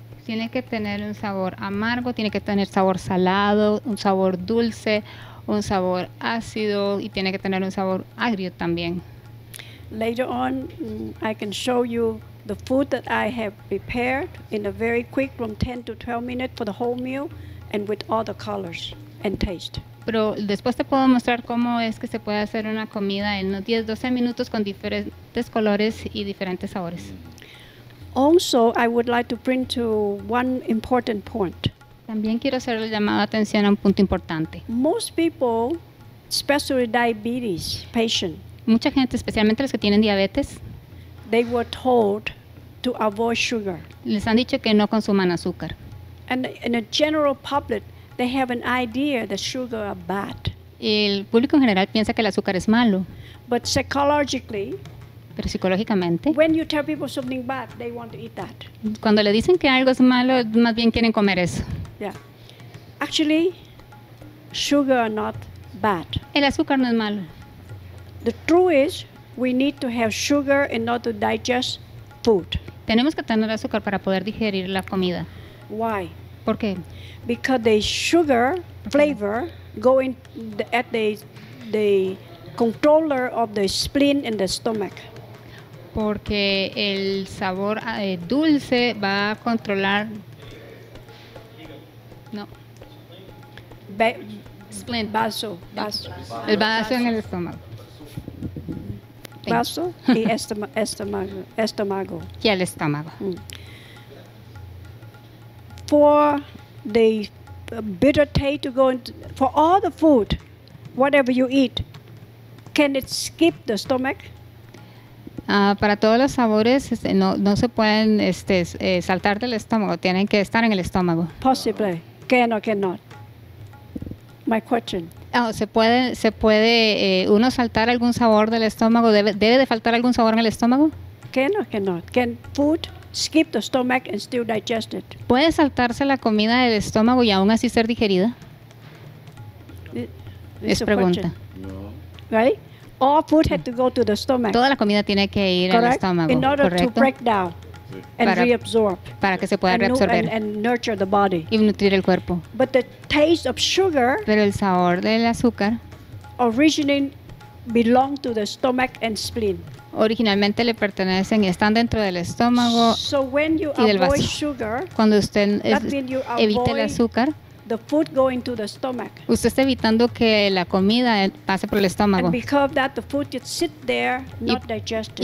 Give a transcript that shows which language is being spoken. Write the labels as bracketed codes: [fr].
[es] Tiene que tener un sabor amargo, tiene que tener sabor salado, un sabor dulce, un sabor ácido, y tiene que tener un sabor agrio también. [en] Later on, I can show you the food that I have prepared in a very quick, from 10 to 12 minutes for the whole meal, and with all the colors and taste. [es] Pero después te puedo mostrar cómo es que se puede hacer una comida en unos 10, 12 minutos con diferentes colores y diferentes sabores. [en] Also, I would like to bring to one important point. [es] También quiero hacer la llamada atención a un punto importante. [en] Most people, especially diabetes patients, [es] mucha gente, especialmente los que tienen diabetes, [en] they were told to avoid sugar. [es] Les han dicho que no consuman azúcar. [en] And in a general public, they have an idea that sugar are bad. [es] El público en general piensa que el azúcar es malo. [en] But psychologically, [es] pero psicológicamente, [en] when you tell people something bad, they want to eat that. [es] Cuando le dicen que algo es malo, más bien quieren comer eso. [en] Yeah. Actually, sugar are not bad. [es] El azúcar no es malo. [en] The truth is, we need to have sugar in order to digest food. [es] Tenemos que tener azúcar para poder digerir la comida. [en] Why? [es] ¿Por qué? [en] Because the sugar flavor going at the controller of the spleen and the stomach. [es] Porque el sabor dulce va a controlar. No. [en] Splint. [es] Vaso. El vaso en el estómago. Vaso y estómago. Y el estómago. [en] For the bitter taste to go into, for all the food, whatever you eat, can it skip the stomach? [es] Para todos los sabores, no se pueden saltar del estómago. Tienen que estar en el estómago. [en] Possibly, can or cannot. My question. [es] ¿Se puede uno saltar algún sabor del estómago? ¿Debe de faltar algún sabor en el estómago? [en] Can or cannot. Can food skip the stomach and still digest it? [es] ¿Puede saltarse la comida del estómago y aún así ser digerida? Es pregunta. [en] No. Right? All food had to go to the stomach. [es] Toda la comida tiene que ir [en] correct? [es] Al estómago. [en] In order [es] correcto. [en] To break down and reabsorb. [es] Para que se pueda reabsorber. [en] And nurture the body. [es] Y nutrir el cuerpo. [en] But the taste of sugar. [es] Pero el sabor del azúcar. [en] Originally belong to the stomach and spleen. [es] Originalmente le pertenecen y están dentro del estómago [en] so when you [es] y del vaso. [en] Avoid sugar, [es] cuando usted evite el azúcar. [en] The food going to the stomach. [es] Usted está evitando que la comida pase por el estómago. [en] And because that the food just sit there, not digested.